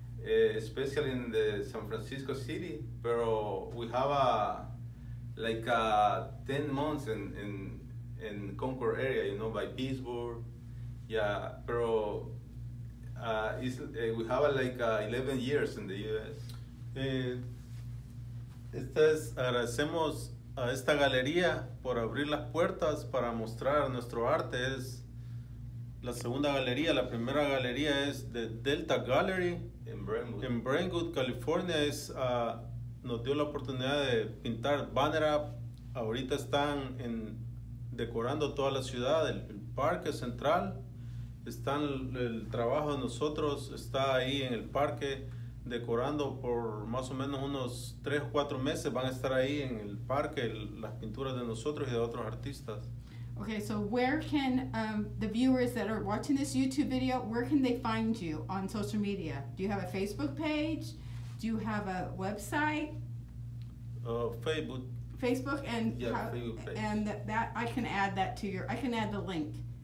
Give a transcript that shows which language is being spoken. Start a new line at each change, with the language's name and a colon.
English: especially in the San Francisco city, but we have a like 10 months in Concord area, you know, by Pittsburgh. Yeah, but we have like 11 years in the US.
Spanish: Agradecemos a esta galería por abrir las puertas para mostrar nuestro arte. Es la segunda galería. La primera galería es de Delta Gallery en Brentwood, California. Es nos dio la oportunidad de pintar banner up. Ahorita están en decorando toda la ciudad, el parque central. Están el trabajo de nosotros está ahí en el parque decorando por más o menos unos 3-4 meses. Van a estar ahí en el parque las pinturas de nosotros y de otros artistas.
English: Okay, so where can the viewers that are watching this YouTube video, where can they find you on social media? Do you have a Facebook page? Do you have a website? Facebook and yeah, Facebook page. And that I can add that to your, I can add the link.